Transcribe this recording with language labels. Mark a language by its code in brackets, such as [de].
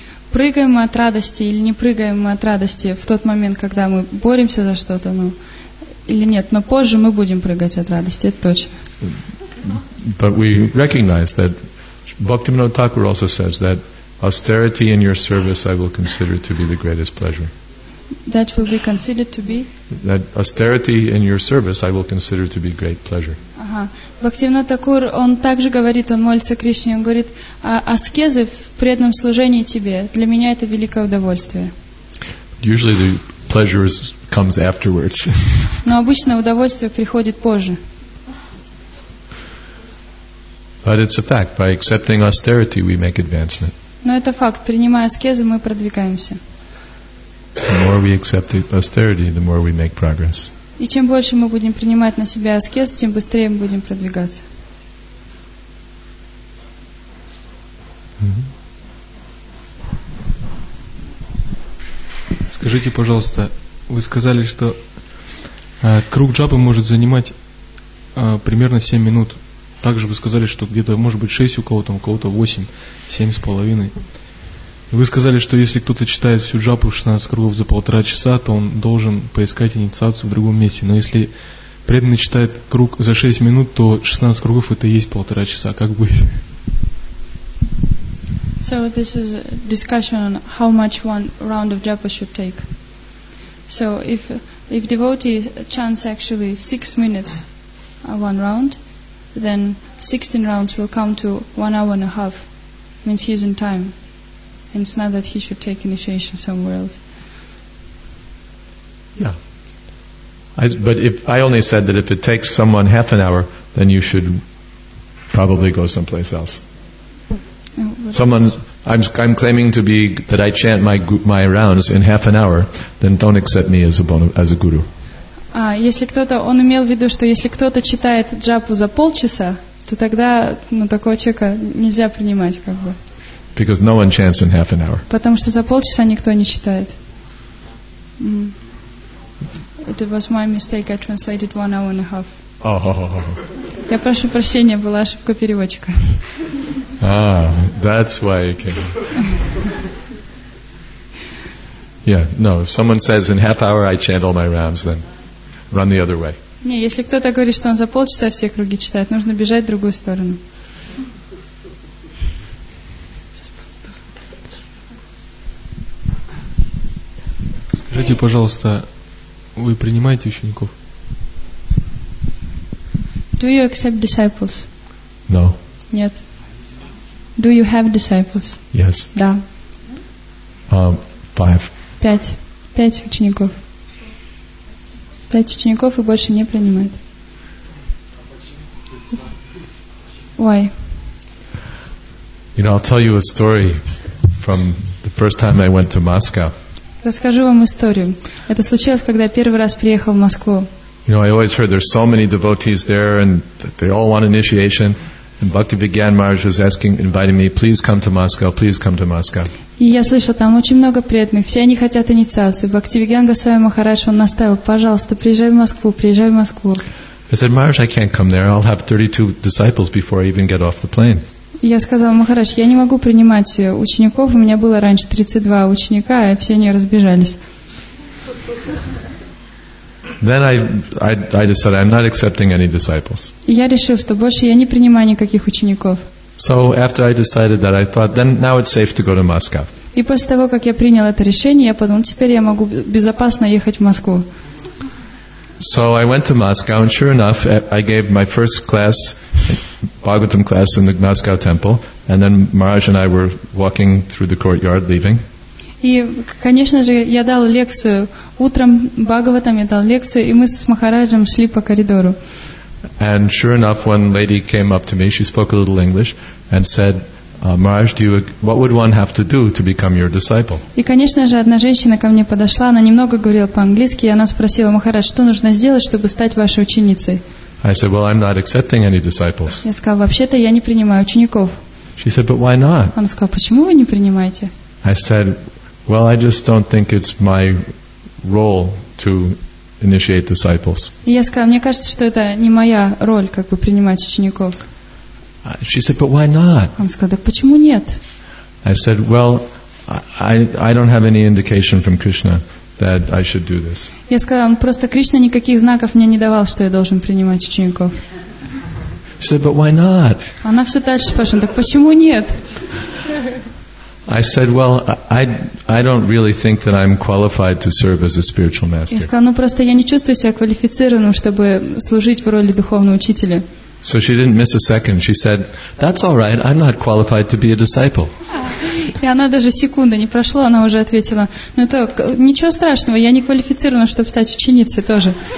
[ru] Прыгаем мы от радости или не прыгаем мы от радости в тот момент, когда мы боремся за что-то, ну или нет, но позже мы будем прыгать от радости, это точно. [en] But we recognize that Bhaktivinoda Thakur also says that austerity in your service I will consider to be the greatest pleasure. That will be considered to be? That austerity in your service I will consider to be great pleasure. [ru] Бхактивинода Такур, он также говорит, он молится Кришне, он говорит, аскезы в преданном служении тебе, для меня это великое удовольствие. [en] Usually the pleasure comes afterwards. [ru] Но обычно удовольствие приходит позже. [en] But it's a fact. By accepting austerity, we make advancement. [ru] Но это факт. Принимая аскезы, мы продвигаемся. [en] The more we accept austerity, the more we make progress. [ru] И чем больше мы будем принимать на себя аскез, тем быстрее мы будем продвигаться. Скажите, пожалуйста, вы сказали, что круг джапы может занимать примерно 7 минут. Также вы сказали, что где-то может быть 6 у кого-то 8, 7.5. Вы сказали, что если кто-то читает всю джапу 16 кругов за полтора часа, то он должен поискать инициацию в другом месте. Но если преданный читает круг за 6 минут, то 16 кругов это и есть полтора часа. Как быть? [en] So this is a discussion on how much one round of japa should take. So if devotee chants actually 6 minutes one round, then 16 rounds will come to 1 hour and a half. Means he's in time. And it's not that he should take initiation somewhere else. Yeah. But I only said that if it takes someone half an hour, then you should probably go someplace else. I'm claiming to be that I chant my rounds in half an hour, then don't accept me as a guru. [ru] Если кто-то, он имел в виду, что если кто-то читает джапу за полчаса, то тогда ну, такого человека нельзя принимать, как бы. [en] Because no one chants in half an hour. [ru] Потому что за полчаса никто не читает. [en] Mm. It was my mistake. I translated 1 hour and a half. [ru] Я прошу прощения, была ошибка переводчика. [en] Ah, that's why you came. Yeah, no. If someone says in half hour I chant all my rounds, then run the other way. [ru] Не, если кто-то говорит, что он за полчаса все круги читает, нужно бежать в другую сторону. Скажите, пожалуйста, вы принимаете учеников? [en] Do you accept disciples? No. [ru] Нет. [en] Do you have disciples? Yes. [ru] Да. [en] Five. [ru] Пять учеников. Пять учеников и больше не принимает. [en] Why? You know, I'll tell you a story from the first time I went to Moscow. [ru] Расскажу вам историю. Это случилось, когда я первый раз приехал в Москву. [en] You know, I always heard there's so many devotees there, and they all want initiation. And Bhakti Vigyan Maharaj was asking, inviting me, please come to Moscow, please come to Moscow. [ru] И я слышал, там очень много преданных, все они хотят инициацию. Бхакти Вигьян Госвами Махарадж, он настаивал, пожалуйста, приезжай в Москву, приезжай в Москву. [en] I said, Maharaj, I can't come there. I'll have 32 disciples before I even get off the plane. [ru] Я сказал, Махарадж, я не могу принимать учеников. У меня было раньше 32 ученика, а все они разбежались. [en] Then I decided I'm not accepting any disciples. [ru] Я решил, что больше я не принимаю никаких учеников. [en] So after I decided that, I thought, then now it's safe to go to Moscow. [ru] И после того, как я принял это решение, я подумал, теперь я могу безопасно ехать в Москву. [en] So I went to Moscow, and sure enough, I gave my first class, Bhagavatam class, in the Moscow temple, and then Maharaj and I were walking through the courtyard, leaving. [ru] И, конечно же, я дал лекцию утром, Бхагаватам я дал лекцию, и мы с Махараджем шли по коридору. [en] And sure enough, one lady came up to me, she spoke a little English, and said, Maharaj, what would one have to do to become your disciple? [ru] И, конечно же, одна женщина ко мне подошла, она немного говорила по-английски, и она спросила, Махарадж, что нужно сделать, чтобы стать вашей ученицей? [en] I said, well, I'm not accepting any disciples. [ru] Я сказала, вообще-то я не принимаю учеников. [en] She said, but why not? [ru] Она сказала, почему вы не принимаете? [en] I said, well, I just don't think it's my role to initiate disciples. [ru] И я сказала, мне кажется, что это не моя роль, как бы принимать учеников. [en] She said, but why not? [ru] Она сказала, так почему нет? [en] I said, well, I don't have any indication from Krishna that I should do this. [ru] Я сказала, просто Кришна никаких знаков мне не давал, что я должен принимать учеников. [en] She said, but why not? [ru] Она все дальше спрашивает, так почему нет? [en] I said, well, I don't really think that I'm qualified to serve as a spiritual master. [ru] Я сказала, просто я не чувствую себя квалифицированным, чтобы служить в роли духовного учителя. [en] So she didn't miss a second. She said, that's all right, I'm not qualified to be a disciple. [ru] И она даже секунды не прошло, она уже ответила, это ничего страшного, я не квалифицирована, чтобы стать ученицей тоже.